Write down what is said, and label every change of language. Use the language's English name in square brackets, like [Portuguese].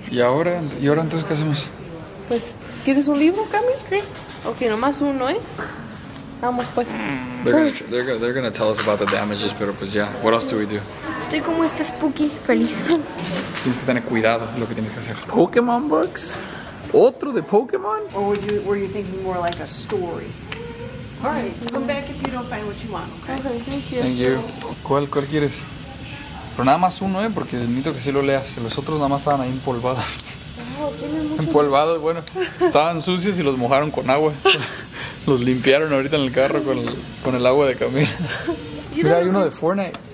[Spanish] ¿Y ahora entonces qué hacemos? Pues, ¿quieres un libro, Cami? Sí. Ok, nomás uno, ¿eh? Vamos, pues. [English] They're gonna tell us about the damages, [Spanish] pero pues ya. [English] Yeah. What else do we do? [Spanish] Estoy como esta spooky, feliz. Tienes que tener cuidado lo que tienes que hacer. ¿Pokémon books? ¿Otro de Pokémon? [English] Or were you thinking more like a story? All right, come back if you don't find what you want, okay? Okay, thank you. Thank you. [Spanish] ¿Cuál quieres? Pero nada más uno, porque necesito que sí lo leas. Los otros nada más estaban ahí empolvados. Empolvados, bueno. Estaban sucios y los mojaron con agua. Los limpiaron ahorita en el carro con el agua de Camila. Mira, hay uno de Fortnite.